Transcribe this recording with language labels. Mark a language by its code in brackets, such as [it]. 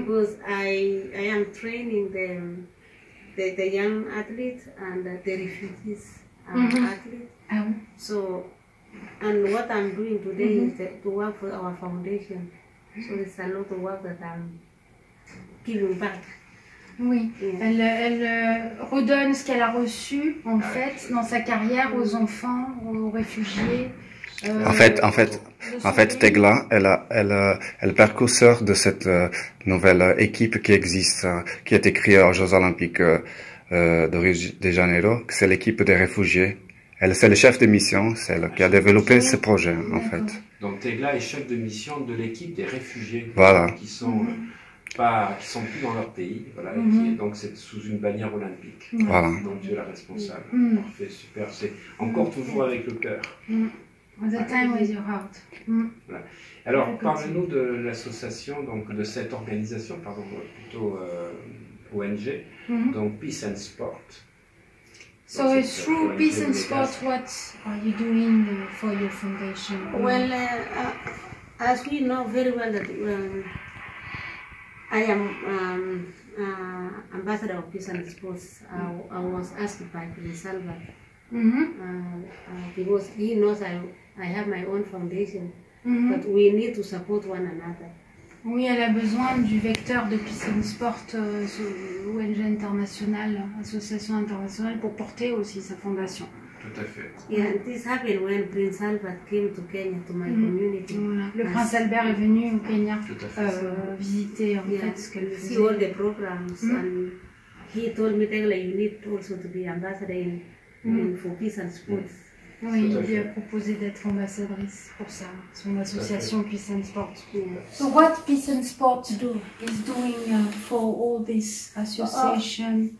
[en] because I am training them the young athlete and the refugees mm-hmm. athlete. Mm-hmm. So, and what I'm doing today mm-hmm. is to work for our foundation. So it's a lot of work that I'm giving back. [fr] Oui, [en] yeah. [fr] elle redonne ce qu'elle a reçu en fait dans sa carrière aux enfants, aux réfugiés. En fait, Tegla, elle percurseur de cette nouvelle équipe qui existe, qui a été créée aux Jeux Olympiques de Rio de Janeiro. C'est l'équipe des réfugiés. Elle, c'est le chef de mission, c'est elle qui a développé ce projet, d'accord. en fait. Donc Tegla est chef de mission de l'équipe des réfugiés. Voilà. Qui sont pas, qui sont plus dans leur pays, voilà. Mm-hmm. Et qui, donc c'est sous une bannière olympique. Mm-hmm. Voilà. Donc tu es la responsable. Mm-hmm. Parfait, super. C'est encore mm-hmm. toujours avec le cœur. [en] Mm-hmm. The time with your heart. [fr] Voilà. Alors, parlez-nous de l'association, donc de cette organisation, pardon, plutôt ONG, mm-hmm. donc Peace and Sport. [en] So, [fr] donc, [en] it's through ONG Peace and Sport, what are you doing for your foundation? Well, as we know very well that I am ambassador of Peace and Sport, I was asked by Prince Salva. Mm-hmm. Because he knows I have my own foundation, mm-hmm. but we need to support one another. [fr] Oui, elle a besoin du vecteur de Peace and Sport, ONG internationale, association internationale, pour porter aussi sa fondation. Tout à fait. [en] Yeah, this happened when Prince Albert came to Kenya, to my mm-hmm. community. [fr] Voilà. Le prince Albert est venu au Kenya visiter en [en] yeah. [fr] fait ce qu'elle faisait. [en] See all the programs, mm-hmm. and he told me, Tegla, you need also to be ambassador in for Peace and Sport. Mm-hmm. [fr] Oui, il lui a proposé d'être ambassadrice pour ça, son association Peace and Sport. [en] Yes. So what Peace and Sport do is doing for all this association?